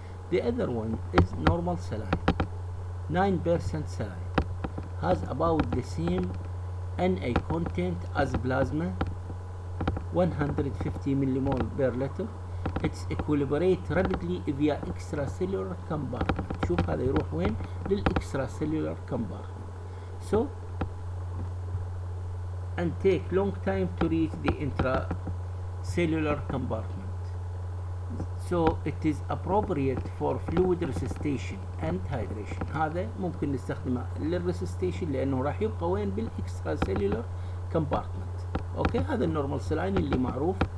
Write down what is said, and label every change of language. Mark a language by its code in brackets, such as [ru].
[en] The other one is normal saline. 9% saline has about the same Na content as plasma, 150 millimol per liter. It's equilibrate rapidly via extracellular compartment. [ar] شوف هذا يروح وين؟ للإكستراسيلولر compartment. [en] So and take long time to reach the intracellular compartment. So it is appropriate for fluid resuscitation and hydration. [ar] هذا ممكن نستخدمه للريسستيشن لانه راح يبقى وين؟ بالاكسترا سيلولر كومبارتمنت. اوكي، هذا النورمال سلاين اللي معروف.